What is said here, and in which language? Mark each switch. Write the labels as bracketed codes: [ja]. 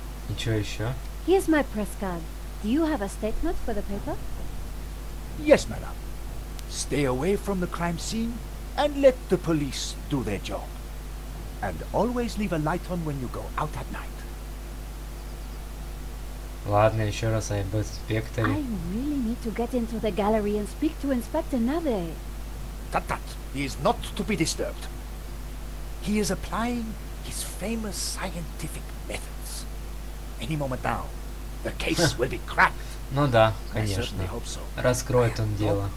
[ru] И чё ещё? [en] Here's my press card. Do you have a statement for the paper? Yes, madam. Stay away from the crime scene and let the police do their job. And always leave a light on when you go out at night. [ru] Ладно, ещё раз об инспекторе. [en] I really need to get into the gallery and speak to Inspector Navey. Tut-tut. He is not to be disturbed. He is applying his famous scientific methods. Any moment now, the case will be cracked. [ru] Ну да, конечно. Раскроет он дело.